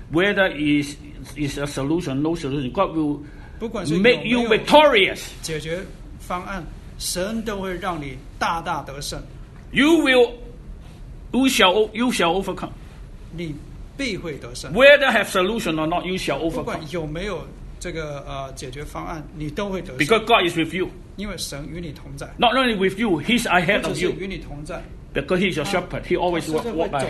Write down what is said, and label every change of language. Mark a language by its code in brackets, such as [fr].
[en] Whether is a solution, no solution, God will [zh] 不管是 [en] make you victorious. [zh] 解决方案，神都会让你大大得胜。 [en] You shall overcome. [zh] 你必会得胜。 [en] Whether have solution or not, you shall overcome. [zh] 不管有没有这个解决方案，你都会得胜。 [en] Because God is with you. [zh] 因为神与你同在。 [en] Not only with you, He's ahead of you. [zh] 与你同在。 [en] Because He's your shepherd, He always walk ahead.